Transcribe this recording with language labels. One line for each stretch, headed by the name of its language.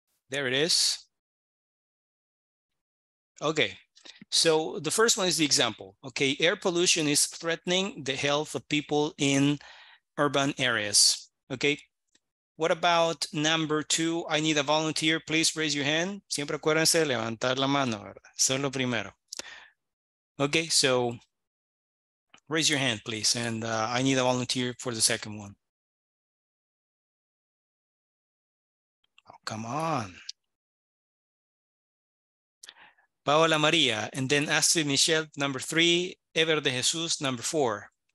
English: There it is. Okay, so the first one is the example. Okay, air pollution is threatening the health of people in urban areas. Okay, what about number two? I need a volunteer, please raise your hand.
Spanish: Siempre acuérdense de levantar la mano, eso es lo primero.
English: Okay, so raise your hand, please, and I need a volunteer for the second one. Oh, come on. Paola Maria, and then Astrid Michelle, number three, Ever de Jesus, number four.